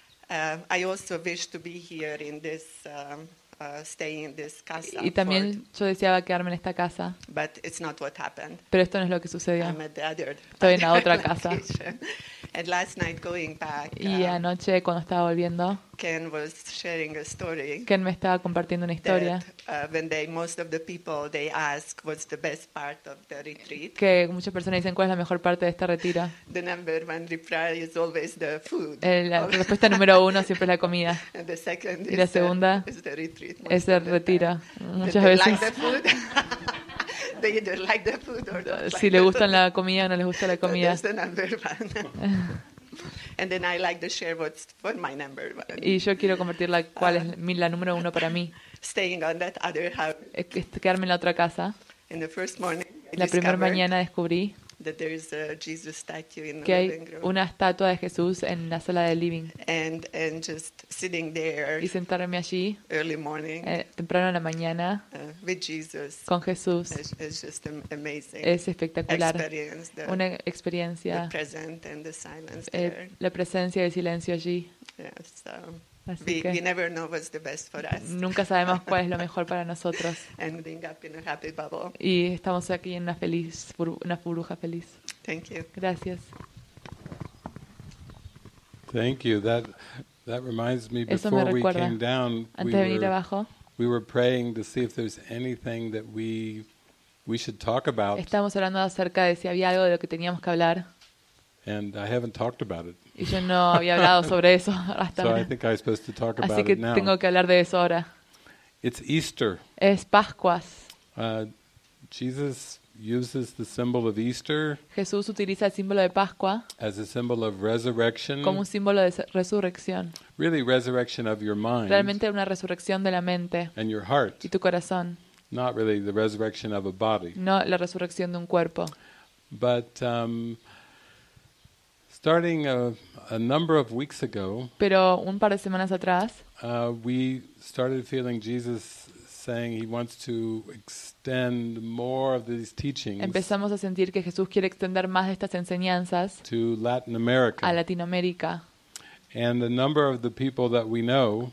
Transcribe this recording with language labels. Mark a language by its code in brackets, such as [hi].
[en] I also wish to be here in this stay in this casa. [es] Y también yo deseaba quedarme en esta casa. [en] But it's not what happened. [es] Pero esto no es lo que sucedió. [en] I'm at the other, [es] estoy en la otra casa. [en] And last night going back. [es] Y anoche cuando estaba volviendo. [en] Ken was sharing a story. [es] Ken me estaba compartiendo una historia. [en] That, when they most of the people they ask what's the best part of the retreat. [es] Que muchas personas dicen cuál es la mejor parte de este retiro. [en] The number one reply is always the food. [es] La respuesta número uno siempre es la comida. [en] And the second [es] y la segunda [en] is the retreat. [es] Es el retiro. Muchas veces. [en] Like the food. They either like the food or don't [es] si [en] like [es] le gustan la comida o no les gusta la comida. [en] That's the number one. And then I like to share what's for my number one. [es] Y yo quiero compartir cuál es la número uno para mí. [en] Staying on that other house. [es] Quedarme en la otra casa. [en] In the first morning, [es] la primera mañana descubrí [en] that there is a Jesus statue in [es] que hay [en] the living room. [es] Una estatua de Jesús en la sala del living. [en] And just sitting there [es] y sentarme allí [en] early morning, [es] temprano en la mañana [en] with Jesus, [es] con Jesús [en] is just amazing [es] es espectacular [en] experience, the, [es] una experiencia [en] the present and the silence there. [es] La presencia y el silencio allí. [en] Yes, [es] así que [en] we never know what's the best for us. [es] Nunca sabemos cuál es lo mejor para nosotros. [en] Ending up in a happy bubble. [es] Y estamos aquí en una burbuja feliz. [en] Thank you. [es] Gracias. [en] Thank you. That reminds me. [es] Eso me recuerda. [en] Before we came down, [es] antes de venir abajo, [en] we were praying to see if there's anything that we should talk about. [es] Estamos hablando acerca de si había algo de lo que teníamos que hablar. [en] And I haven't talked about it. [es] Y yo no había hablado sobre eso hasta ahora. [en] So I think I was supposed to talk about [es] así que [en] it now. [es] Tengo que hablar de eso ahora. [en] It's Easter. [es] Es Pascuas. [en] Jesus uses the symbol of Easter. [es] Jesús utiliza el símbolo de Pascua. [en] As a symbol of resurrection. [es] Como un símbolo de resurrección. [en] Really, resurrection of your mind. [es] Realmente una resurrección de la mente. [en] And your heart. [es] Y tu corazón. [en] Not really the resurrection of a body. [es] No la resurrección de un cuerpo. [en] But starting a number of weeks ago, [es] pero un par de semanas atrás, [en] we started feeling Jesus saying he wants to extend more of these teachings. [es] Empezamos a sentir que Jesús quiere extender más de estas enseñanzas [en] to Latin America. [es] A Latinoamérica. [en] And a number of the people that we know,